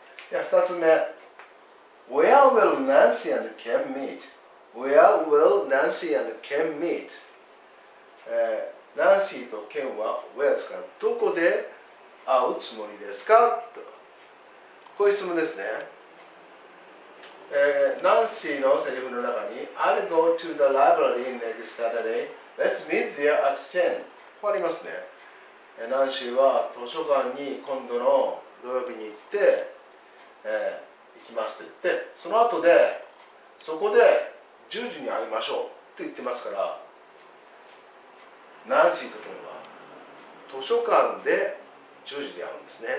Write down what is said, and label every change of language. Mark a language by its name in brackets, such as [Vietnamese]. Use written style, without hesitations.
[Japanese] 二つ目。 [English] Where will Nancy and Ken meet? Where will Nancy and Ken meet? Nancy と Ken は where ですか？ [Japanese] どこで会うつもりですか？とこういう質問ですね。 [English] Nancy [Japanese] のセリフの中に [English] I'll go to the library next Saturday. Let's meet there at 10. [Japanese] ここありますね。 Nancy は図書館に今度の土曜日に行って、行きますと言って、その後でそこで10時に会いましょうと言ってますから、ナンシーとケンは図書館で10時に会うんですね。